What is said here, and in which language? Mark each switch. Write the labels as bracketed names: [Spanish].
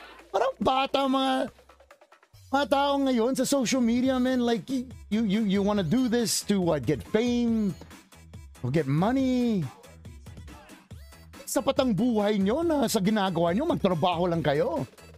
[Filipino] Parang bata mga tao ngayon sa social media, man. [English] Like, you wanna do this to what? Get fame? Or get money? [Filipino] Sapat ang buhay nyo na sa ginagawa nyo, magtrabaho lang kayo.